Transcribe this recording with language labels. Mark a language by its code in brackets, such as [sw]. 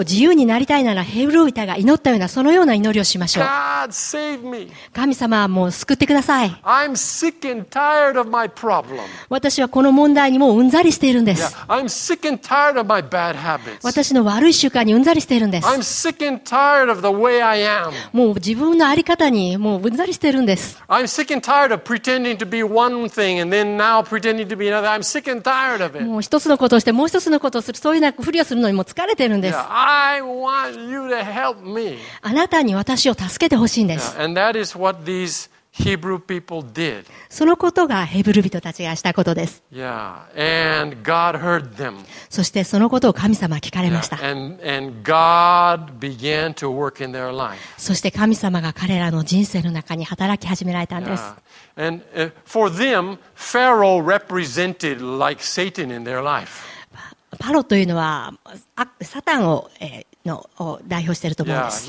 [ja] 自由になりたいならヘブル人が祈ったようなそのような祈りをしましょう。 [en] God, save me. [ja] 神様はもう救ってください。 [en] I'm sick and tired of my problem. [ja] 私はこの問題にもううんざりしているんです。 [en] I'm sick and tired of my bad habits. [ja] 私の悪い習慣にうんざりしているんです。 [en] I'm sick and tired of the way I am. [ja] もう自分のあり方にもううんざりしているんです。 [en] I'm sick and tired of pretending to be one thing and then now pretending to be another. I'm sick and tired of it. [ja] もう一つのことをしてもう一つのことをする、そういうふりをするのにも疲れているんです。 [en] I want you to help me. [ja] あなたに私を助けてほしいんです。 [en] And that is what theseHebrew people did. [ja] そのことがヘブル人たちがしたことです。 [en] Yeah. And God heard them. [ja] そしてそのことを神様は聞かれました。 [en] Yeah. And God began to work in their life. [ja] そして神様が彼らの人生の中に働き始められたんです。 [en] Yeah. And for them, Pharaoh represented like Satan in their life. [ja] パロというのはサタンを、の代表していると思うんです。